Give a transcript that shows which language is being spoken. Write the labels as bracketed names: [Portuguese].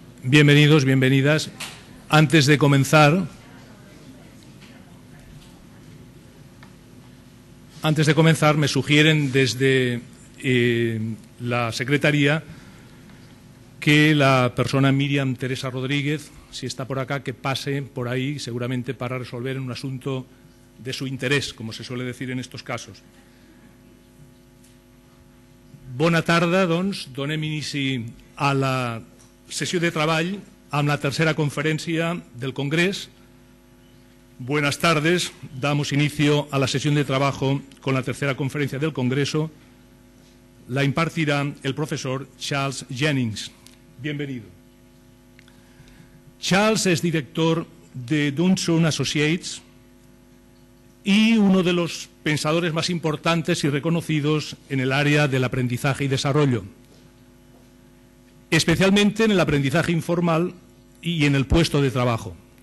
[Spanish] Bienvenidos, bienvenidas. Antes de comenzar, me sugieren desde la Secretaría que la persona Miriam Teresa Rodríguez, si está por acá, que pase por ahí seguramente para resolver un asunto de su interés, como se suele decir en estos casos. [Catalan] Bona tarda, doncs, donem inici a la sessió de treball amb la tercera conferència del Congrés. [Spanish] Buenas tardes, damos inicio a la sesión de trabajo con la tercera conferencia del Congreso. La impartirá el profesor Charles Jennings. Bienvenido. Charles es director de Dunson Associates y uno de los pensadores más importantes y reconocidos en el área del aprendizaje y desarrollo, especialmente en el aprendizaje informal y en el puesto de trabajo.